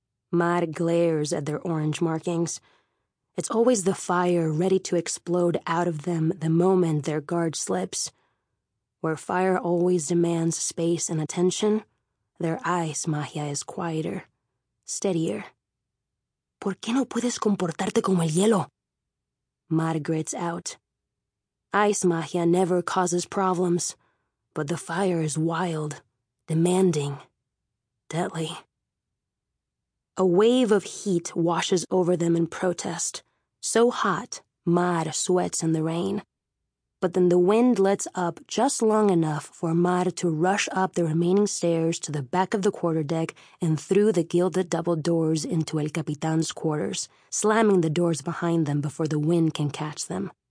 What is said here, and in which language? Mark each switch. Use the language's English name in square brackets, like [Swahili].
[English] Mad glares at their orange markings. It's always the fire ready to explode out of them the moment their guard slips. Where fire always demands space and attention, their eyes, magia, is quieter, steadier. [Spanish] ¿Por qué no puedes comportarte como el hielo? [English] Mad grits out. Ice magia never causes problems, but the fire is wild, demanding, deadly. A wave of heat washes over them in protest. So hot, Mad sweats in the rain. But then the wind lets up just long enough for Mad to rush up the remaining stairs to the back of the quarterdeck and through the gilded double doors into El Capitán's quarters, slamming the doors behind them before the wind can catch them.